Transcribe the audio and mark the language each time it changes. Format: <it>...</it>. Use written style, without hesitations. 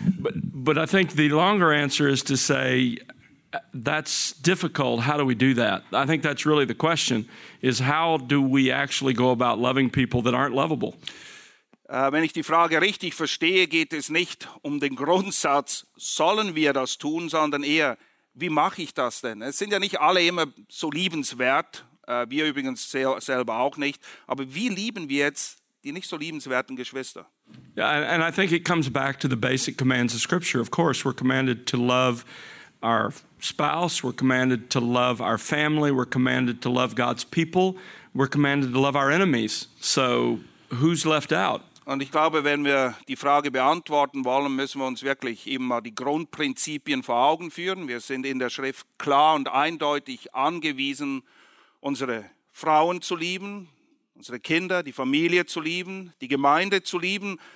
<en>But I think the longer answer is to say that's difficult. How do we do that? I think that's really the question, is how do we actually go about loving people that aren't lovable?</en> <de>Wenn ich die Frage richtig verstehe, geht es nicht um den Grundsatz, sollen wir das tun, sondern eher: Wie mache ich das denn? Es sind ja nicht alle immer so liebenswert, wir übrigens selber auch nicht. Aber wie lieben wir jetzt die nicht so liebenswerten Geschwister?</de> <en>Yeah, and I think it comes back to the basic commands of Scripture. Of course, we're commanded to love our spouse, we're commanded to love our family, we're commanded to love God's people, we're commanded to love our enemies. So, who's left out?</en> <de>Und ich glaube, wenn wir die Frage beantworten wollen, müssen wir uns wirklich eben mal die Grundprinzipien vor Augen führen. Wir sind in der Schrift klar und eindeutig angewiesen, unsere Frauen zu lieben, unsere Kinder, die Familie zu lieben, die Gemeinde zu lieben.</de>